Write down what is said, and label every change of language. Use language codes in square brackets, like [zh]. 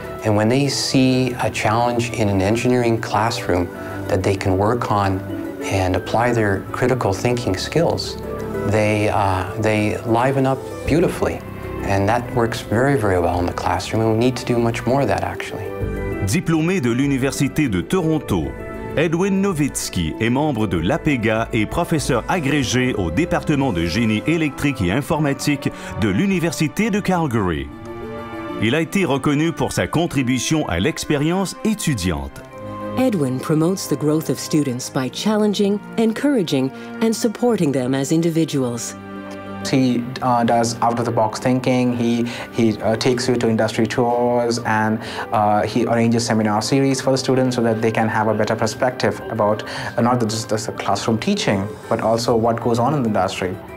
[en] And when they see a challenge in an engineering classroom that they can work on and apply their critical thinking skills, they liven up beautifully. And that works very, very well in the classroom. And we need to do much more of that, actually. [fr] Diplômé de l'Université de Toronto, Edwin Nowicki est membre de l'APEGA et professeur agrégé au département de génie électrique et informatique de l'Université de Calgary. Il a été reconnu pour sa contribution à l'expérience étudiante. [en] Edwin promotes the growth of students by challenging, encouraging, and supporting them as individuals. He does out-of-the-box thinking, he takes you to industry tours, and he arranges seminar series for the students so that they can have a better perspective about not just the classroom teaching, but also what goes on in the industry.